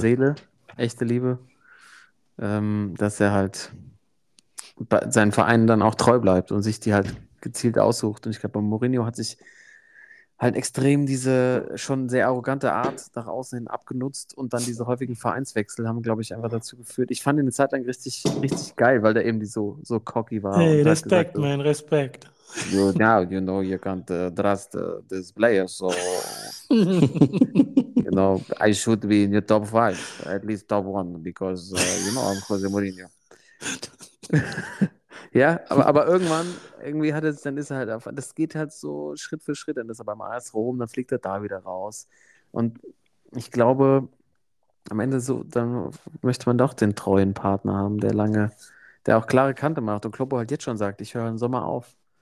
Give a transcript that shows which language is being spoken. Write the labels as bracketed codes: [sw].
[de] Seele, echte Liebe, dass er halt bei seinen Vereinen dann auch treu bleibt und sich die halt gezielt aussucht. Und ich glaube, bei Mourinho hat sich halt extrem diese schon sehr arrogante Art nach außen hin abgenutzt, und dann diese häufigen Vereinswechsel haben, glaube ich, einfach dazu geführt. Ich fand ihn eine Zeit lang richtig, richtig geil, weil der eben so cocky war. Hey, Respekt, mein Respekt. [en] You, now you know you can't trust this player, so you know, I should be in your top 5, at least top 1, because you know, I'm Jose Mourinho. [de] Ja, aber irgendwann, irgendwie hat es, dann ist er halt, das geht halt so Schritt für Schritt, dann ist er beim AS Rom, dann fliegt er da wieder raus. Und ich glaube, am Ende so, dann möchte man doch den treuen Partner haben, der auch klare Kante macht, und Kloppo halt jetzt schon sagt, ich höre im Sommer auf.